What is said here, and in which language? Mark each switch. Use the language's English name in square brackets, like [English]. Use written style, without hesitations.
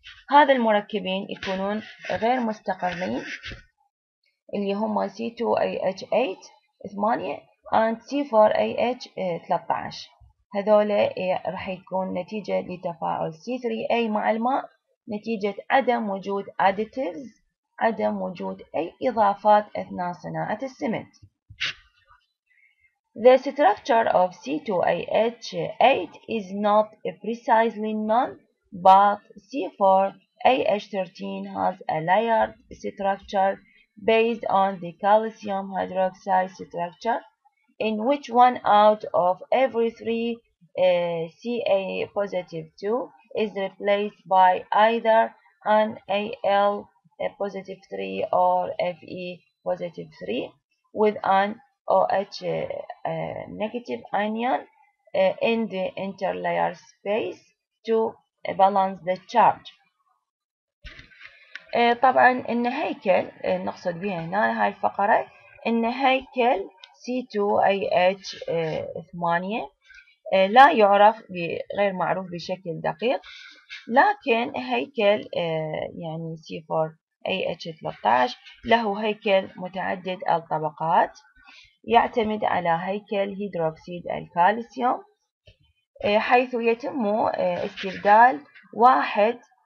[Arabic] هذا المركبين يكونون غير مستقرين اللي هما C2AH8 8 and C4AH13. هذول راح يكون نتيجة لتفاعل C3A مع الماء، نتيجة عدم وجود additives، عدم وجود أي إضافات أثناء صناعة السمنت. [English] The structure of C2AH8 is not precisely known, but C4AH13 has a layered structure based on the calcium hydroxide structure in which one out of every three Ca positive 2 is replaced by either an Al positive 3 or Fe positive 3 with an OH negative anion in the interlayer space to balance the charge. [Arabic] طبعا ان هيكل نقصد بها هنا هاي الفقرة ان هيكل C2AH8 لا يعرف غير معروف بشكل دقيق، لكن هيكل يعني C4AH13 له هيكل متعدد الطبقات، يعتمد على هيكل هيدروكسيد الكالسيوم حيث يتم استبدال واحد